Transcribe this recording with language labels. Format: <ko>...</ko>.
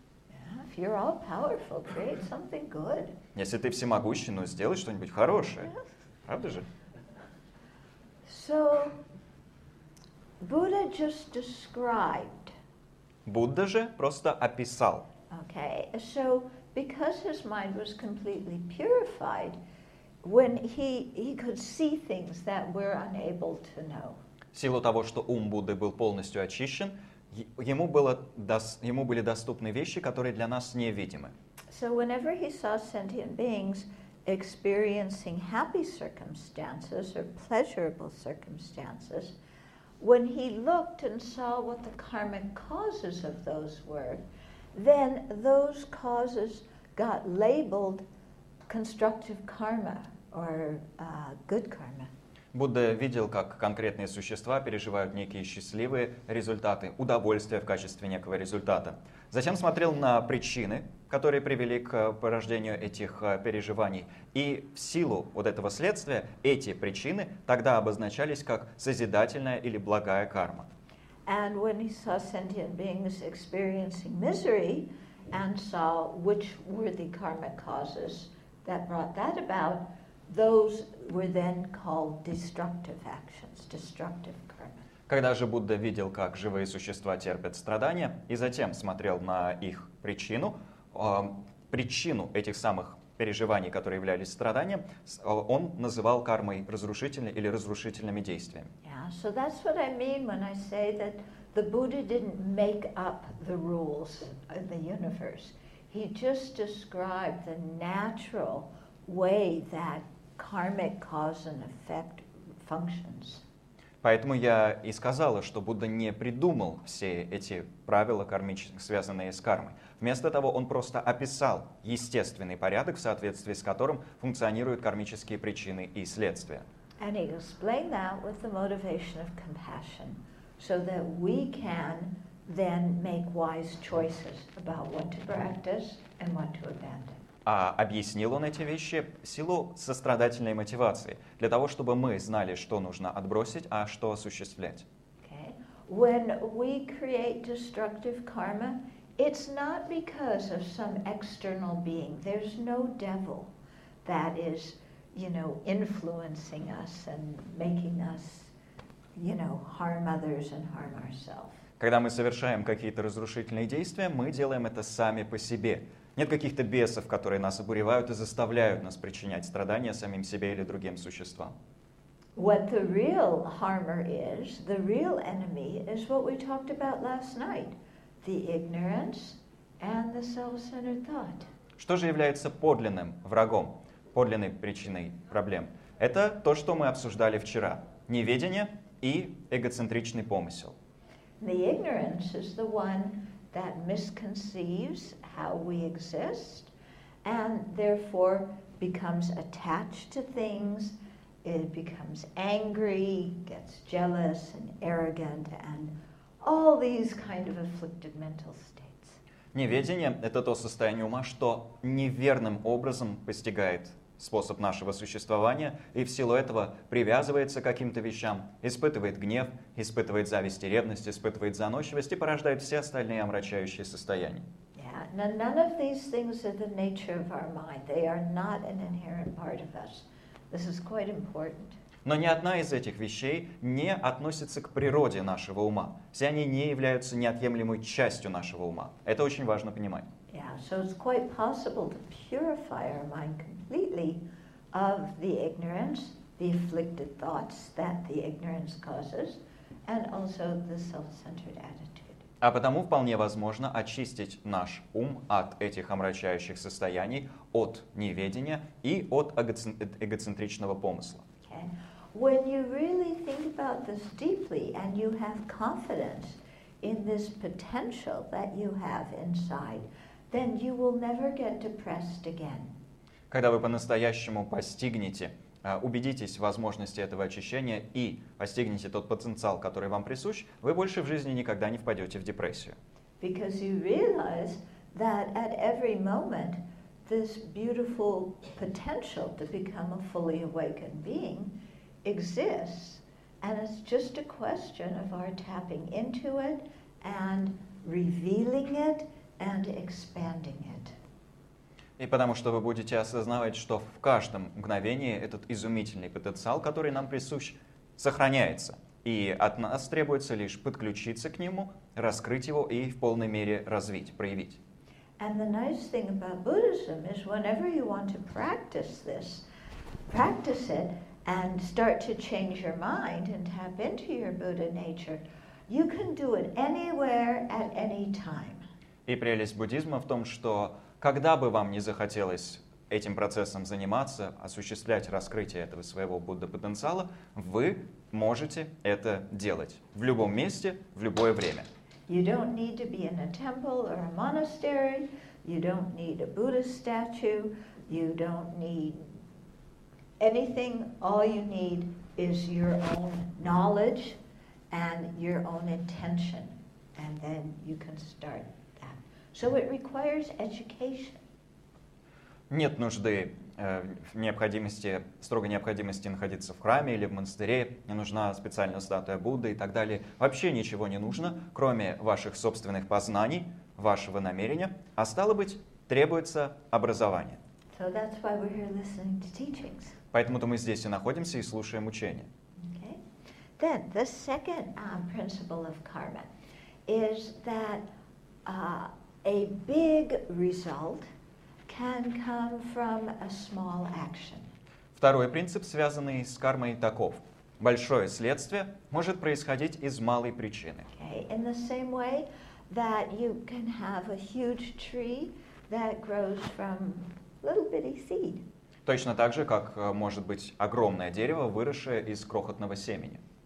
<en>Yeah, if you're all powerful, create something good.</en> <ru>Если ты всемогущий, ну сделай что-нибудь хорошее. Правда же?</ru> <en>So, Buddha just described.</en> <ru>Будда же просто описал.</ru> <en>Okay, so because his mind was completely purified, when he could see things that we're unable to know.</en> <ru>В силу того, что ум Будды был полностью очищен, ему были доступны вещи, которые для нас невидимы.</ru> <en>So whenever he saw sentient beings experiencing happy circumstances or pleasurable circumstances, when he looked and saw what the karmic causes of those were, then those causes got labeled constructive karma or good karma.</en> <ru>Будда видел, как конкретные существа переживают некие счастливые результаты, удовольствие в качестве некого результата. Затем смотрел на причины, которые привели к порождению этих переживаний. И в силу вот этого следствия эти причины тогда обозначались как созидательная или благая карма.</ru> <en>And when he saw sentient beings experiencing misery and saw which were the karmic causes that brought that about, those were then called destructive actions, destructive karma.</en> <ru>Когда же Будда видел, как живые существа терпят страдания, и затем смотрел на их причину, причину этих самых переживаний, которые являлись страданием, он называл кармой разрушительной или разрушительными действиями.</ru> <en>Yeah, so that's what I mean when I say that the Buddha didn't make up the rules of the universe. He just described the natural way that karmic cause and effect functions.</en> <ru>Поэтому я и сказала, что Будда не придумал все эти правила, связанные с кармой. Вместо того, он просто описал естественный порядок, в соответствии с которым функционируют кармические причины и следствия.</ru> <en>And he explained that with the motivation of compassion, so that we can then make wise choices about what to practice and what to abandon.</en> <ru>А объяснил он эти вещи в силу сострадательной мотивации, для того, чтобы мы знали, что нужно отбросить, а что осуществлять.</ru> <en>Okay. When we create destructive karma, it's not because of some external being. There's no devil that is, you know, influencing us and making us, you know, harm others and harm ourselves.</en> <ru>Когда мы совершаем какие-то разрушительные действия, мы делаем это сами по себе. Нет каких-то бесов, которые нас обуревают и заставляют нас причинять страдания самим себе или другим существам.</ru> <en>What the real harmer is, the real enemy, is what we talked about last night. The ignorance and the self-centered thought.</en> <ru>Что же является подлинным врагом, подлинной причиной проблем? Это то, что мы обсуждали вчера. неведение и эгоцентричный помысел.</ru> <en>The ignorance is the one that misconceives how we exist and therefore becomes attached to things. It becomes angry, gets jealous and arrogant and all these kind of afflicted mental states.</en> <ru>Неведение — это то состояние ума, что неверным образом постигает способ нашего существования и в силу этого привязывается к каким-то вещам, испытывает гнев, испытывает зависть и ревность, испытывает заносчивость и порождает все остальные омрачающие состояния.</ru> <en>Yeah, none of these things are the nature of our mind. They are not an inherent part of us. This is quite important.</en> <ru>Но ни одна из этих вещей не относится к природе нашего ума. Все они не являются неотъемлемой частью нашего ума. Это очень важно понимать.</ru> <en>Yeah, so it's quite possible to purify our mind completely of the ignorance, the afflicted thoughts that the ignorance causes, and also the self-centered attitude.</en> <ru>А потому вполне возможно очистить наш ум от этих омрачающих состояний, от неведения и от эгоцентричного помысла.</ru> <en>Okay. When you really think about this deeply and you have confidence in this potential that you have inside, then you will never get depressed again.</en> <ru>Когда вы по-настоящему постигнете, убедитесь в возможности этого очищения и постигнете тот потенциал, который вам присущ, вы больше в жизни никогда не впадете в депрессию.</ru> <en>Because you realize that at every moment this beautiful potential to become a fully awakened being exists, and it's just a question of our tapping into it and revealing it and expanding it.</en> <ru>И потому что вы будете осознавать, что в каждом мгновении этот изумительный потенциал, который нам присущ, сохраняется, и от нас требуется лишь подключиться к нему, раскрыть его и в полной мере развить, проявить.</ru> <en>And the nice thing about Buddhism is whenever you want to practice this, practice it and start to change your mind and tap into your Buddha nature, you can do it anywhere at any time.</en> <ru>И прелесть буддизма в том, что когда бы вам не захотелось этим процессом заниматься, осуществлять раскрытие этого своего Будда-потенциала, вы можете это делать в любом месте, в любое время.</ru> <en>You don't need to be in a temple or a monastery. You don't need a Buddhist statue. You don't need anything. All you need is your own knowledge and your own intention. And then you can start that. So it requires education.</en> <ru>Нет нужды, необходимости, строгой необходимости находиться в храме или в монастыре, не нужна специальная статуя Будды и так далее. Вообще ничего не нужно, кроме ваших собственных познаний, вашего намерения. А стало быть, требуется образование.</ru> <en>So that's why we're here listening to teachings.</en> <ru>Поэтому-то мы здесь и находимся и слушаем учения.</ru> <en>Okay. Then the second principle of karma is that a big result can come from a small action.</en> <ru>Второй принцип, связанный с кармой, таков. Большое следствие может происходить из малой причины.</ru> <en>Okay. In the same way that you can have a huge tree that grows from little bitty seed.</en> <ru>Точно так же, как может быть огромное дерево, выросшее из крохотного семени.</ru>